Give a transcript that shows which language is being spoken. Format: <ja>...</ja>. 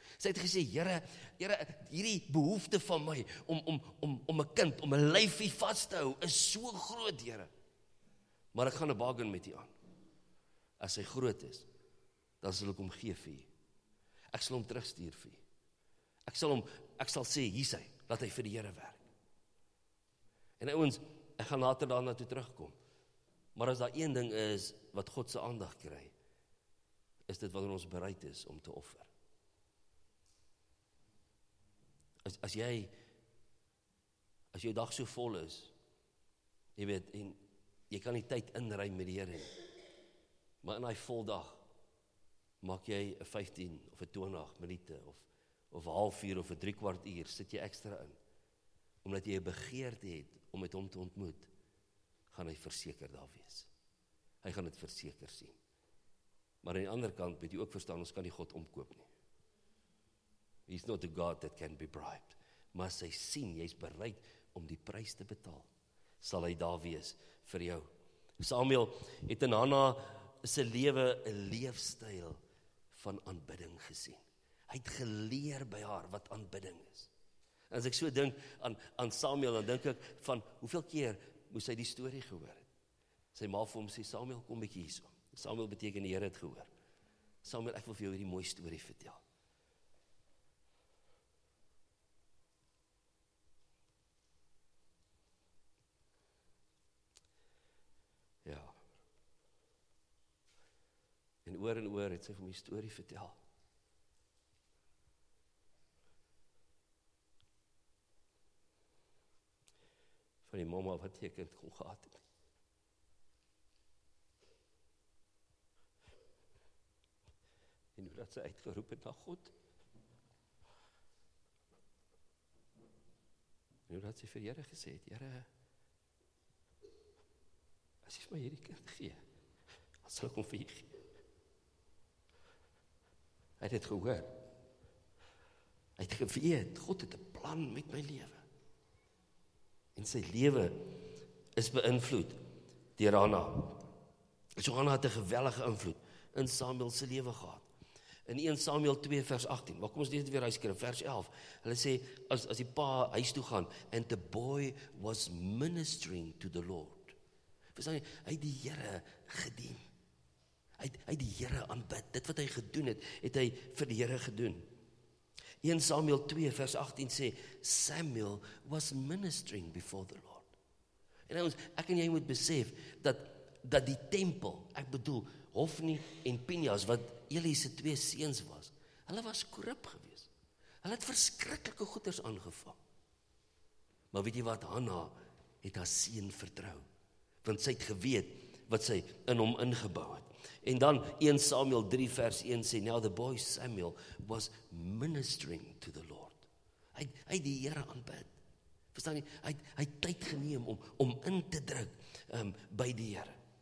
<af>Sy het gesê, Here, hierdie behoefte van my om 'n kind, om 'n lyfie vas te hou, is so groot, Here. Maar ek gaan 'n bargain met U aan. As hy groot is, dan sal ek hom gee vir U. Ek sal hom terugstuur vir U. Ek sal sê, hier is hy, laat hy vir die Here werk. En ouens, ek gaan later daarna toe terugkom. Maar as daar een ding is wat God se aandag kry, is dit wanneer ons bereid is om te offer. As jou dag so vol is, jy weet, en jy kan die tyd inruim met die Here, maar in daai vol dag, maak jy 'n 15 of 'n 20 minute of 'n halfuur of 'n 3/4 uur, sit jy ekstra in, omdat jy 'n begeerte het om met hom te ontmoet, gaan hy verseker daar wees. Hy gaan dit verseker sien. Maar aan die ander kant, moet jy ook verstaan, ons kan die God omkoop nie.</af> <en>He's not a God that can be bribed.</en> <af>Maar as hy sien, jy's bereid om die prys te betaal, sal hy daar wees vir jou. Samuel het in Hanna se lewe 'n leefstyl van aanbidding gesien. Hy het geleer by haar wat aanbidding is. En as ek so dink aan Samuel, dan dink ek van hoeveel keer moes hy die storie gehoor het. Sy ma vir hom sê, Samuel, kom bietjie hierso. Samuel beteken die Here het gehoor. Samuel, ek wil vir jou hierdie mooi storie vertel. Oor en oor het sy vir my storie vertel. Van die mamma wat die kind kon gehad het. En hoe dat sy uitgeroep het na God. En hoe dat sy vir Here gesê het, Here, as jy vir my hierdie kind gee, dan sal ek hom vir jy gee. Hy het gehoor. Hy het geweet, God het 'n plan met my lewe. En sy lewe is beïnvloed deur Hanna. So Hanna het 'n geweldige invloed in Samuel se lewe gehad. In 1 Samuel 2 vers 18, maar kom ons lees dit weer, hy skryf vers 11. Hulle sê, as die pa huis toe gaan,</af> <en>and the boy was ministering to the Lord.</en> <af>Verstaan jy, hy het die Here gedien. Hy het die Here aanbid. Dit wat hy gedoen het, het hy vir die Here gedoen. 1 Samuel 2 vers 18 sê,</af> <en>Samuel was ministering before the Lord.</en> <af>En ons, ek en jy moet besef, dat die tempel, ek bedoel, Hofni en Pinhas, wat Eli se twee seuns was, hulle was korrup geweest. Hulle het verskriklike goeders aangevang. Maar weet jy wat, Hanna het haar seun vertrou, want sy het geweet wat sy in hom ingebou het. En dan 1 Samuel 3 vers 1 sê,</af> <en>Now the boy Samuel was ministering to the Lord.</en> <af>Hy het die Here aanbid. Verstaan jy? Hy het tyd geneem om in te druk by die Here.</af>